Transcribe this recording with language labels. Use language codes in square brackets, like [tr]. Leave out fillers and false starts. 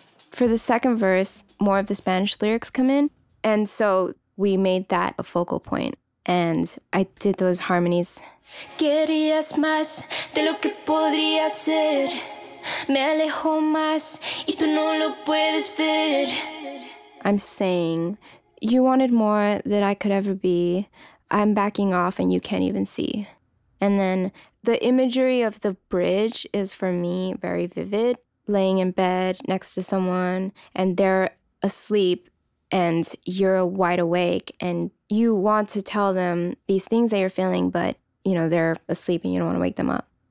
[en] For the second verse, more of the Spanish lyrics come in. And so we made that a focal point. And I did those harmonies. [es] Querías más de lo que podría ser. Me alejo más y tú no lo puedes ver. [en] I'm saying, you wanted more than I could ever be. I'm backing off and you can't even see. And then the imagery of the bridge is for me very vivid. Laying in bed next to someone and they're asleep and you're wide awake and you want to tell them these things that you're feeling, but you know, they're asleep and you don't want to wake them up.